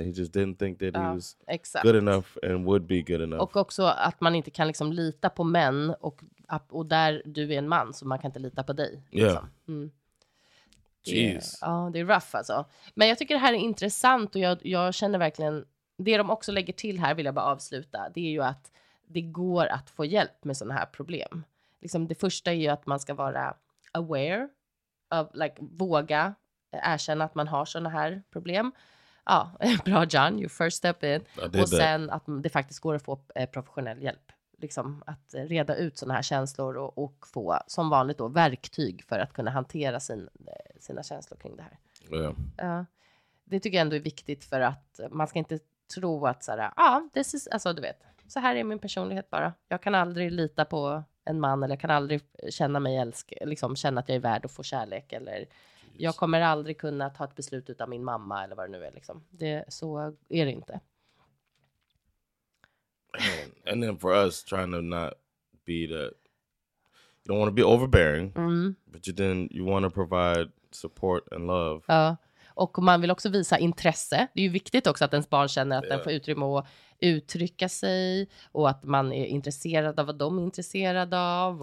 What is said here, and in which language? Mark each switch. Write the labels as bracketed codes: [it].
[en] That he just didn't think that he was good enough and would be good enough. [sv] Och också att man inte kan liksom lita på män och där du är en man så man kan inte lita på dig. [en] Yeah. [sv] Liksom. [en] Jeez. [sv] Ja, det är rough alltså. Men jag tycker det här är intressant och jag känner verkligen, det de också lägger till här vill jag bara avsluta, det är ju att det går att få hjälp med sådana här problem. Liksom det första är ju att man ska vara [en] aware of, like, [sv] våga erkänna att man har sådana här problem. Ja, bra [en] John, your first step in. [sv] Och sen [en] that. [sv] Att det faktiskt går att få professionell hjälp. Liksom att reda ut såna här känslor och få som vanligt då verktyg för att kunna hantera sina känslor kring det här. [en] Yeah. [sv] Det tycker jag ändå är viktigt för att man ska inte tro att så här, [en] this is, [sv] alltså du vet, så här är min personlighet bara. Jag kan aldrig lita på en man eller jag kan aldrig känna mig liksom känna att jag är värd att få kärlek eller jag kommer aldrig kunna ta ett beslut utan min mamma eller vad det nu är liksom. Det, så är det inte. [en] And then for us trying to not be that, you don't want to be overbearing, but you want to provide support and love. [sv] Ja, och man vill också visa intresse. Det är ju viktigt också att ens barn känner att den får utrymme att uttrycka sig och att man är intresserad av vad de är intresserade av.